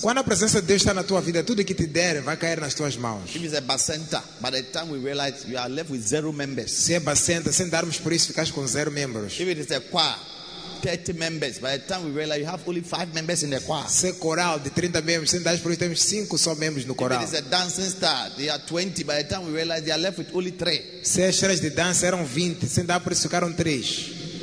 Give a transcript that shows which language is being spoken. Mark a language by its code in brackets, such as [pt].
[pt] Quando a presença de Deus está na tua vida, tudo que te der vai cair nas tuas mãos. [en] If it's a basenta, by the time we realize, you are left with zero members. [pt] Se é basenta, sem darmos por isso, ficas com zero membros. [en] If it is a choir, 30 members. By the time we realize, you have only 5 members in the choir. [pt] Se é coral de 30 membros, sem darmos por isso, temos 5 só membros no coral. [en] If it is a dancing star, there are 20. By the time we realize, they are left with only 3. [pt] Se as estrelas de dança eram 20, sem dar por isso, ficaram 3.